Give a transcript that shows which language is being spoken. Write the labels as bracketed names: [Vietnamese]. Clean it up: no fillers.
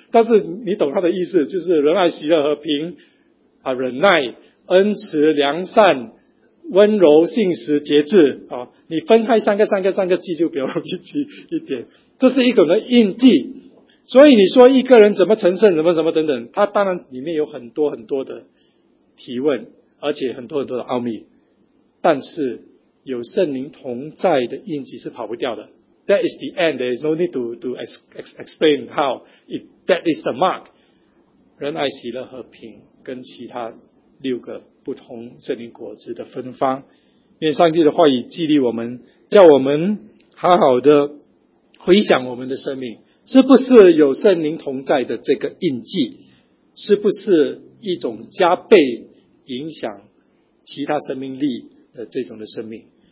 [Chinese] 但是你懂它的意思，就是仁爱、喜乐、和平、啊、忍耐、恩慈、良善、温柔、信实、节制、啊、你分开三个记就比较容易记一点。这是一种的印记。所以你说一个人怎么成圣，什么等等，他当然里面有很多很多的提问，而且很多很多的奥秘，但是有圣灵同在的印记是跑不掉的。 [English] That is the end. There is no need to explain how it, that is the mark. [Chinese] 仁爱、喜乐、和平跟其他六个不同圣灵果子的芬芳。愿上帝的话语激励我们，叫我们好好的回想我们的生命，是不是有圣灵同在的这个印记，是不是一种加倍影响其他生命力的这种的生命。